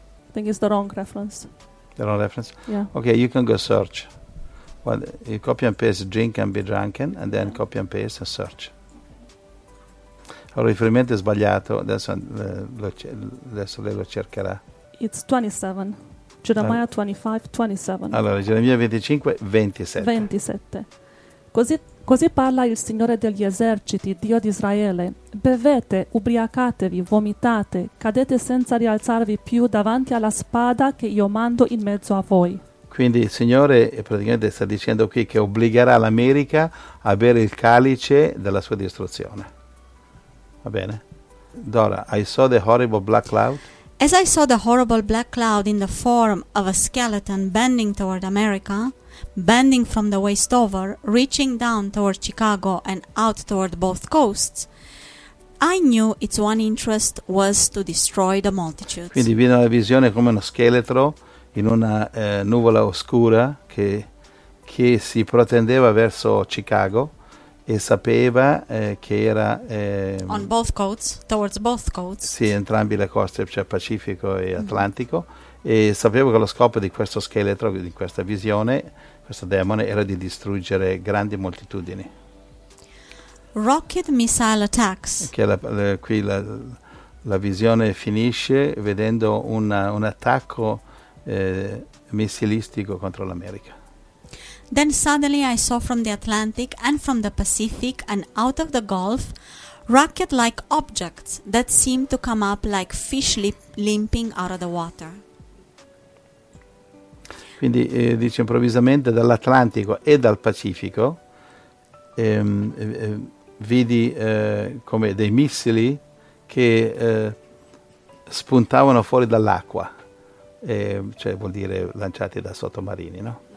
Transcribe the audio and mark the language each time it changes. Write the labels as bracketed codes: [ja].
[en] I think it's the wrong reference. The wrong reference? Yeah. Okay, you can go search. Well, you copy and paste drink and be drunken and then copy and paste and search. [it] Allora, il riferimento è sbagliato, adesso lei lo cercherà. [en] It's 27. Jeremiah 25:27. [it] Allora, Geremia 25:27. 27. Così parla il Signore degli eserciti, Dio di Israele. Bevete, ubriacatevi, vomitate, cadete senza rialzarvi più davanti alla spada che io mando in mezzo a voi. Quindi il Signore praticamente sta dicendo qui che obbligherà l'America a bere il calice della sua distruzione. Va bene? [en] Dora, I saw the horrible black cloud. As I saw the horrible black cloud in the form of a skeleton bending toward America, bending from the waist over, reaching down toward Chicago and out toward both coasts, I knew its one interest was to destroy the multitudes. [it] Quindi viene la visione come uno scheletro in una nuvola oscura che si protendeva verso Chicago e sapeva che era [en] on both coasts, towards both coasts. [it] Sì, entrambi le coste, cioè Pacifico e Atlantico. E sapevo che lo scopo di questo scheletro, di questa visione, questo demone, era di distruggere grandi moltitudini. [en] Rocket missile attacks. [it] Che la visione finisce vedendo un attacco missilistico contro l'America. [en] Then suddenly I saw from the Atlantic and from the Pacific and out of the Gulf rocket-like objects that seemed to come up like fish limping out of the water. [it] Quindi dice improvvisamente dall'Atlantico e dal Pacifico vidi come dei missili che spuntavano fuori dall'acqua, cioè vuol dire lanciati da sottomarini, no?